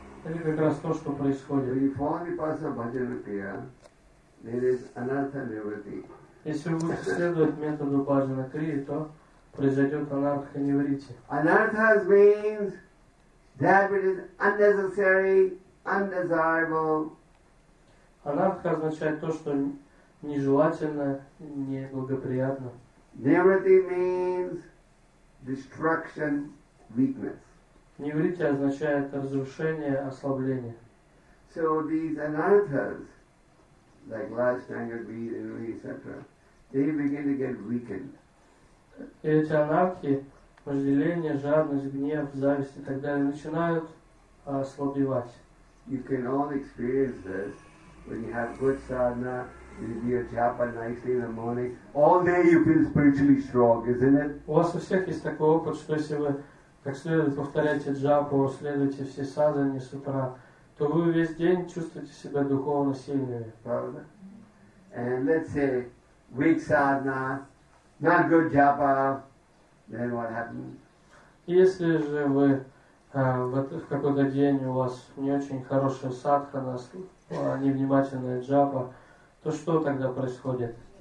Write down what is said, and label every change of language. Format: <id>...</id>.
<ru>Это как раз то, что происходит.</ru> <en>When you follow the path of Bhajana Kriya, there is anartha nivritti.</en> <ru>Если вы будете следовать методу Bhajana Kriya, то произойдет анартха нивритти.</ru> <en>Anartha means that which is unnecessary, undesirable.</en> <ru>Anartha означает то, что нежелательно, неблагоприятно.</ru> <en>Nivritti means destruction, weakness.</en> <ru>Nivritti означает разрушение, ослабление.</ru> <en>So these anarthas, like last anger, greed, envy, etc., they begin to get weakened.</en> <ru>Эти анархи, вожделение, жадность, гнев, зависть и так далее, начинают ослабевать.</ru> <en>You can all experience this when you have good sadhana. You do your japa nicely in the morning. All day you feel spiritually strong, isn't it?</en> <ru>У вас у всех есть такой опыт, что если вы как следует повторяете джапу, следуете все садхане с утра, то вы весь день чувствуете себя духовно сильными. Правда?</ru> <en>And let's say weak sadhana, not good japa, then what happens?</en> <ru>Если же вы в какой-то день у вас не очень хорошая садхана, невнимательная джапа, то что тогда происходит?</ru>